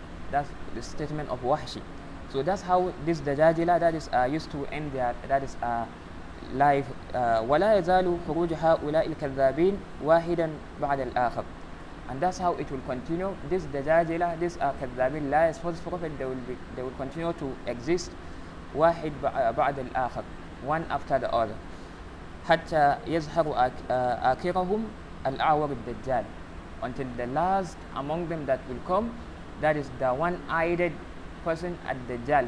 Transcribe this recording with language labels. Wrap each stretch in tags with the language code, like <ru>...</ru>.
<en>That's the statement of Wahshi. So that's how this Dajajila that is used to end their that is life.</en> <ar>وَلَا يَزَالُ خُرُوجُ هَؤُلَاءِ الْكَذَّابِينَ وَاحِدًا بَعْدَ الْآخَرِ.</ar> <en>And that's how it will continue. This Dajajila, this Kadhabin lies, false prophet, they will continue to exist.</en> <ar>واحد بعد الآخر.</ar> <en>One after the other.</en> <ar>حتى يظهر آخرهم الأعور الدجال.</ar> <en>Until the last among them that will come, that is the one-eyed person at Dajjal.</en>